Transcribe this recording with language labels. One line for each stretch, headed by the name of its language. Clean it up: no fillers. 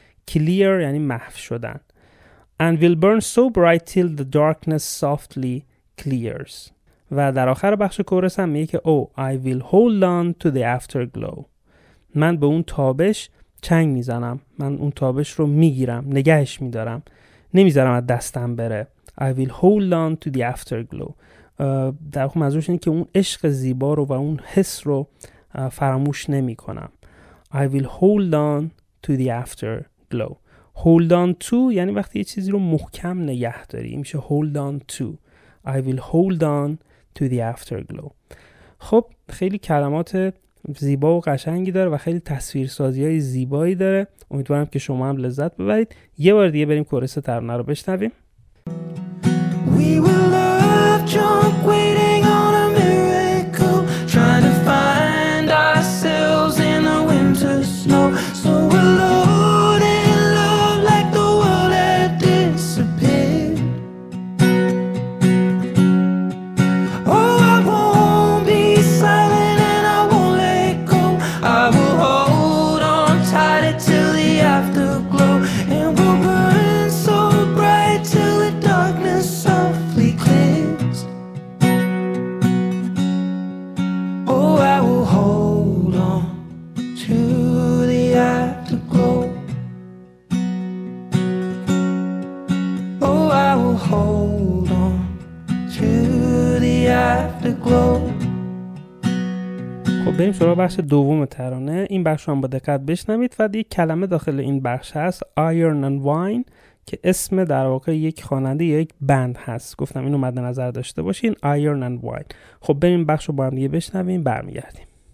English: Clear
Persian: یعنی محو شدن.
English: And will burn so bright till the darkness softly clears.
Persian: و در آخر بخش کورس هم میگه که
English: oh, I will hold on to the afterglow.
Persian: من به اون تابش چنگ میزنم. من اون تابش رو میگیرم، نگهش میدارم، نمیذارم از دستم بره.
English: I will hold on to the afterglow.
Persian: در واقع منظورش اینه که اون عشق زیبا رو و اون حس رو فراموش نمی کنم.
English: I will hold on to the afterglow.
Persian: Hold on to یعنی وقتی یه چیزی رو محکم نگه داری، میشه hold on to.
English: I will hold on to the afterglow.
Persian: خب خیلی کلمات زیبا و قشنگی داره و خیلی تصویرسازی‌های زیبایی داره. امیدوارم که شما هم لذت ببرید. یه بار دیگه بریم کورس ترانه رو بشنویم.
English: We will love junk waiting on a miracle trying to find ourselves in the winter snow. So we'll hold in love like the world had disappeared. Oh, I won't be silent and I won't let go. I will hold on tight until the afterglow. And we'll burn so bright till the darkness softly clears. Oh, I will hold on to the afterglow. Oh, I will hold on to the afterglow.
Persian: خب بریم سراغ بخش دوم ترانه. این بخش رو هم با دقت بشنوید. فقط یک کلمه داخل این بخش هست، Iron and Wine، که اسم در واقع یک خواننده یا یک بند هست. گفتم اینو مد نظر داشته باشین، Iron and Wine. خب بریم بخش رو با هم دیگه بشنویم، برمیگردیم.